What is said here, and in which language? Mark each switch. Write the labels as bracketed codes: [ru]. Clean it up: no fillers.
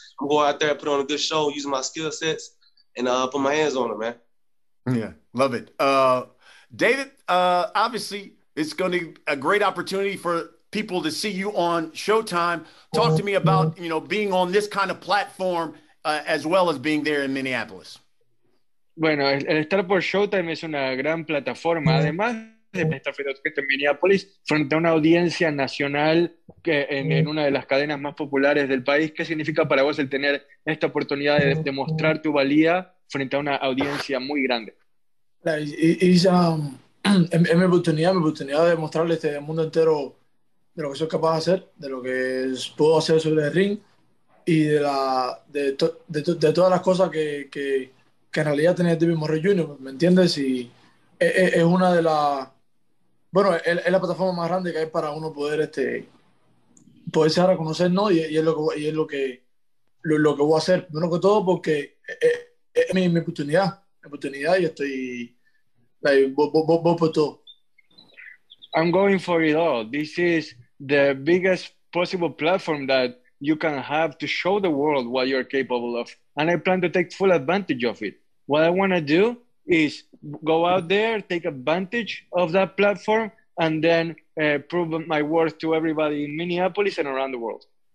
[en] I'm going out there and put on a good show using my skill sets and put my hands on him, man. Yeah, love it. David, obviously, it's going to be a great opportunity for people to see you on Showtime. Talk to me about, you know, being on this kind of platform as well as being there in Minneapolis. [es] Bueno, el estar por Showtime es una gran plataforma. Además de estar frente a Minneapolis, frente a una audiencia nacional en una de las cadenas más populares del país, ¿qué significa para vos el tener esta oportunidad de demostrar tu valía frente a una audiencia muy grande? Es mi oportunidad de mostrarle al mundo entero de lo que soy capaz de hacer, de lo que puedo hacer sobre el ring y de todas las cosas que en realidad tiene David Morrell Jr., ¿me entiendes? Y es una de las, bueno, es la plataforma más grande que hay para uno poder poderse dar a conocer, ¿no? Y es lo que voy a hacer, menos que todo porque es mi oportunidad, y estoy, voy por todo. [en] I'm going for it all. This is the biggest possible platform that you can have to show the world what you're capable of. And I plan to take full advantage of it. What I want to do is go out there, take advantage of that platform, and then prove my worth to everybody in Minneapolis and around the world.